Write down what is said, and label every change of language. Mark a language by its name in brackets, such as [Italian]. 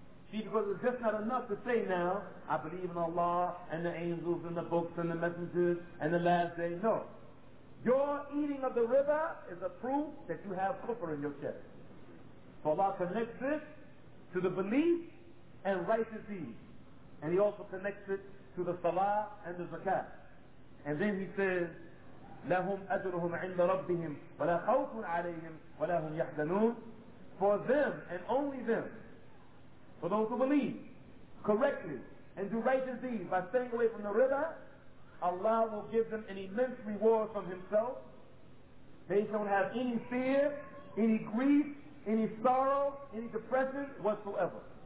[English] See, because it's just not enough to say now, I believe in Allah, and the angels, and the books, and the messengers, and the last day. No. Your eating of the riba is a proof that you have kufr in your chest. So Allah connects it to the belief and righteous deeds. And He also connects it to the salah and the zakat. And then He says, [Arabic] لَهُمْ أَجْرُهُمْ عِنْدَ رَبِّهِمْ وَلَا خَوْفٌ عَلَيْهِمْ وَلَا هُمْ يَحْزَنُونَ. [English] For them and only them, for those who believe correctly and do righteous deeds by staying away from the riba, Allah will give them an immense reward from Himself. They don't have any fear, any grief, any sorrow, any depression whatsoever.